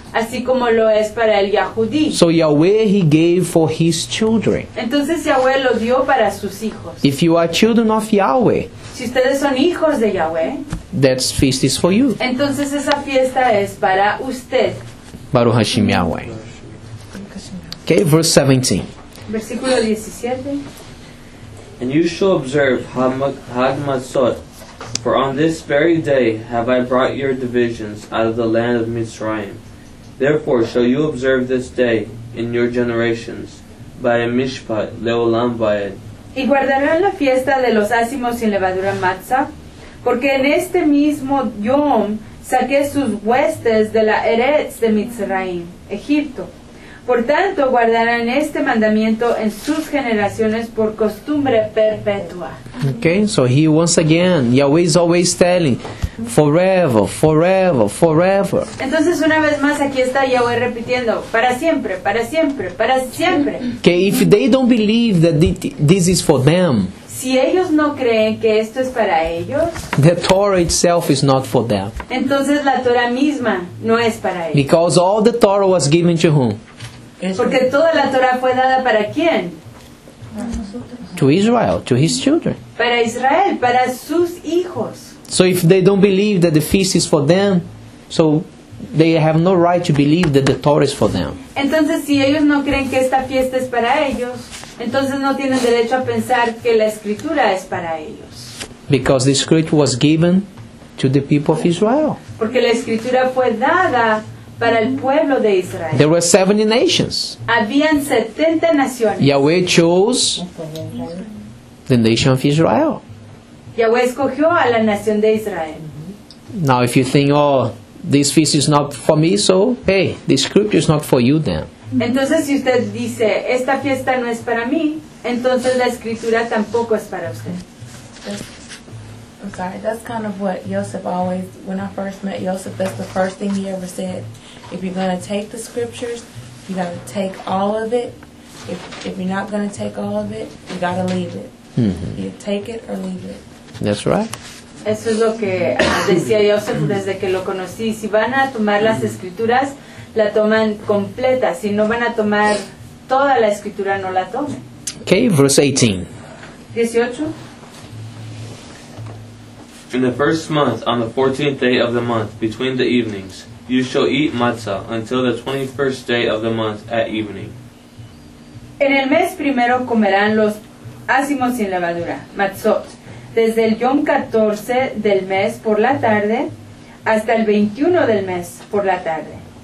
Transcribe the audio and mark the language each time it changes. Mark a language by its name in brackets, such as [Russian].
[Spanish] Así como lo es para el Yahudí. [English] So Yahweh, he gave for his children. [Spanish] Entonces Yahweh lo dio para sus hijos. [English] If you are children of Yahweh. [Spanish] Si ustedes son hijos de Yahweh. [English] That feast is for you. [Spanish] Entonces esa fiesta es para usted. [Hebrew] Baruch Hashem Yahweh. [English] Okay, verse 17. [Spanish] Versículo 17. [English] And you shall observe Hagmasot. For on this very day have I brought your divisions out of the land of Mitzrayim. Therefore shall you observe this day in your generations by a [Hebrew] mishpat leolam vaed. [Spanish] Y guardarán la fiesta de los ácimos sin levadura matza, porque en este mismo yom saqué sus huestes de la eretz de Mitzrayim, Egipto. Por tanto guardarán este mandamiento en sus generaciones por costumbre perpetua. [English] Okay, so he once again, Yahweh is always telling, forever, forever, forever. [Spanish] Entonces una vez más aquí está Yahweh repitiendo, para siempre, para siempre, para siempre. [English] Okay, if they don't believe that this is for them. [Spanish] Si ellos no creen que esto es para ellos. [English] The Torah itself is not for them. [Spanish] Entonces la Torah misma no es para ellos. [English] Because all the Torah was given to whom? [Spanish] Porque toda la Torah fue dada para quién? [English] To Israel, to his children. [Spanish] Para Israel, para sus hijos. [English] So if they don't believe that the feast is for them, so they have no right to believe that the Torah is for them. [Spanish] Entonces si ellos no creen que esta fiesta es para ellos, entonces no tienen derecho a pensar que la Escritura es para ellos. [English] Because the Scripture was given to the people of Israel. [Spanish] Porque la Escritura fue dada para el pueblo de Israel. [English] There were 70 nations. [Spanish] Habían 70 naciones. [English] Yahweh chose the nation of Israel. [Spanish] Yahweh escogió a la nación de Israel. [English] Now if you think, oh, this feast is not for me, so, hey, this scripture is not for you then. [Spanish] Entonces si usted dice, esta fiesta no es para mí, entonces la escritura tampoco es para usted. [English] I'm sorry, that's kind of what Yosef always, when I first met Yosef, that's the first thing he ever said. If you're going to take the scriptures, you got to take all of it. If you're not going to take all of it, you got to leave it. Mm-hmm. You take it or leave it. That's right. [Spanish] Eso es lo que decía Yosef desde que lo conocí. Si van a tomar las escrituras, la toman completa. Si no van a tomar toda la escritura, no la tomen. [English] Okay, verse 18. 18. In the first month, on the 14th day of the month, between the evenings, you shall eat matzah until the 21st day of the month at evening. [Spanish] En el mes primero comerán los ácimos sin levadura, matzot, desde el yom 14 del mes por la tarde hasta el 21 del mes por la tarde.